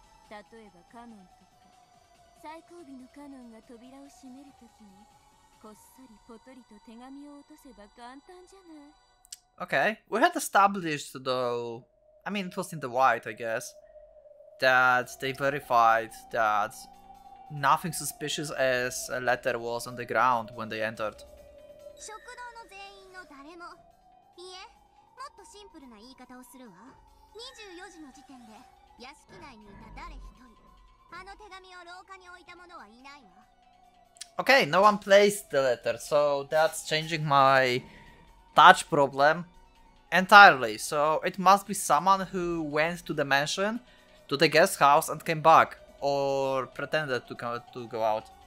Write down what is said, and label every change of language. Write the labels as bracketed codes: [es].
[ja] 例えばカノンとか最後尾のカノンが扉を閉めるときにこっそりポトリと手紙を落とせば簡単じゃない [en] Okay, we had established though, I mean it was in the white I guess, that they verified that nothing suspicious as a letter was on the ground when they entered. [ja] 食堂の全員の誰も、いえ、もっとシンプルな言い方をするわ。 24時の時点で。屋敷内にいた誰一人、あの手紙を廊下に置いた者はいないわ。 [en] Okay, no one placed the letter, so that's changing my touch problem entirely. So it must be someone who went to the mansion, to the guest house and came back. or pretended to come to go out.